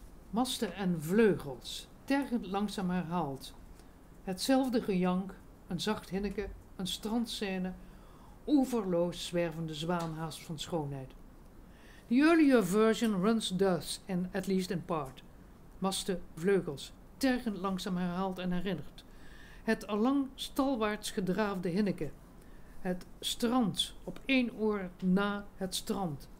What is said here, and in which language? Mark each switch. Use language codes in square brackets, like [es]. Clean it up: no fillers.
[nl] Masten en vleugels, tergend langzaam herhaald. Hetzelfde gejank, een zacht hinneken, een strandscène, oeverloos zwervende zwaanhaast van schoonheid. [en] The earlier version runs thus, and at least in part. [nl] Masten, vleugels, tergend langzaam herhaald en herinnerd. Het allang stalwaarts gedraafde hinneke. Het strand, op één oor na het strand.